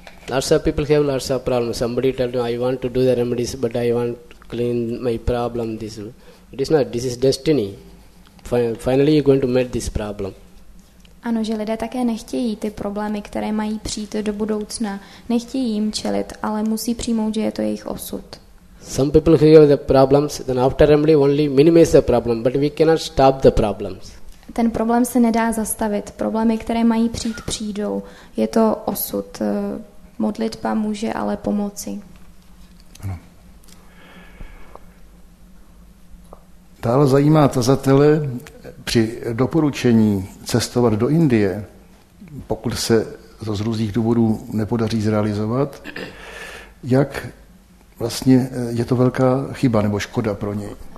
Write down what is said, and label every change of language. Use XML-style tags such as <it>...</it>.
<en>Lots of people have lots of problems. Somebody tells me, I want to do the remedies, but I want to clean my problem. This is destiny. Finally, you're going to meet this problem.</en> <cs>Ano, že lidé také nechtějí ty problémy, které mají přijít do budoucna. Nechtějí jim čelit, ale musí přijmout, že je to jejich osud.</cs> <en>Some people have the problems, then after remedy only minimize the problem, but we cannot stop the problems.</en> <cs>Ten problém se nedá zastavit. Problémy, které mají přijít, přijdou. Je to osud. Modlitba může ale pomoci. Ano. Dále zajímá tazatele při doporučení cestovat do Indie, pokud se to z různých důvodů nepodaří zrealizovat, jak vlastně je to velká chyba nebo škoda pro něj.</cs>